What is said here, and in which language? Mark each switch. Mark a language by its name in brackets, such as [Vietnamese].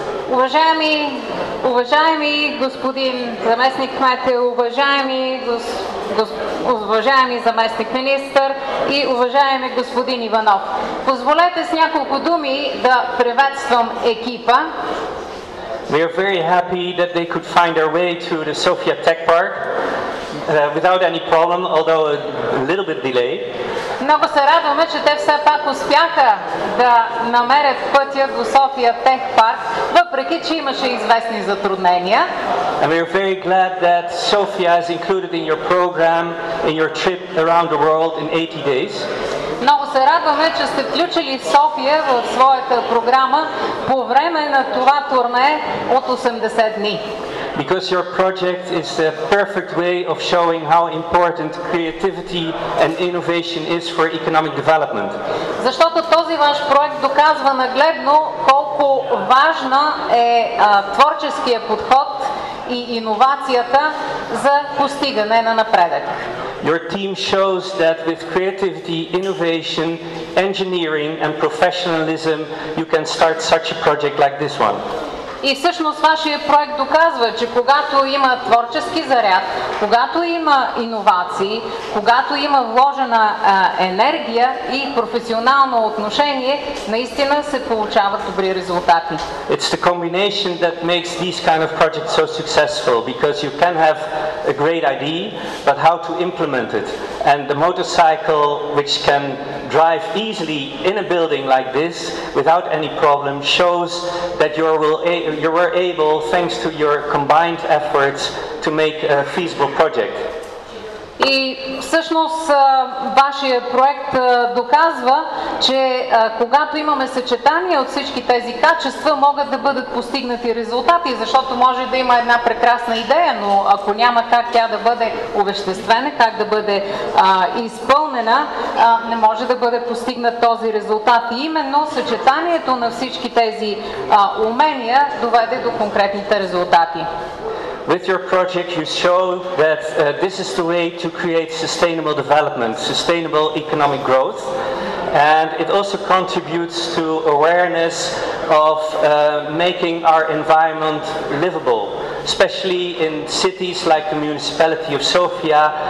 [Bulgarian] Уважаеми господин заместник кмете, уважаеми заместник министър и уважаеми господин Иванов. Позволете с няколко думи да приветствам екипа. [English] We are very happy that they could find their way to the Sofia Tech Park without any problem, although a little bit delay. [Bulgarian] Много се радваме, че те все пак успяха да намерят пътя до София Тех Парк, въпреки че имаше известни затруднения. [English] And we are very glad that Sofia is included in your program, in your trip around the world in 80 days. [Bulgarian] Много се радваме, че сте включили София в своята програма по време на това турне от 80 дни. [English] Because your project is the perfect way of showing how important creativity and innovation is for economic development. [Bulgarian] Защото този ваш проект доказва нагледно колко важна е творческия подход и иновацията за постигане на напредък. [English] Your team shows that with creativity, innovation, engineering and professionalism you can start such a project like this one. [Bulgarian] И всъщност вашия проект доказва, че когато има творчески заряд, когато има иновации, когато има вложена енергия и професионално отношение, наистина се получават добри резултати. [English] It's the combination that makes these kind of projects so successful, because you can have a great idea, but how to implement it. And the motorcycle which can drive easily in a building like this without any problem shows that you were able, thanks to your combined efforts, to make a feasible project. [Bulgarian] И всъщност вашия проект доказва, че когато имаме съчетание от всички тези качества, могат да бъдат постигнати резултати, защото може да има една прекрасна идея, но ако няма как тя да бъде овеществена, как да бъде изпълнена, не може да бъде постигнат този резултат. И именно съчетанието на всички тези умения доведе до конкретните резултати. [English] With your project you show that this is the way to create sustainable development, sustainable economic growth, and it also contributes to awareness of making our environment livable, especially in cities like the municipality of Sofia.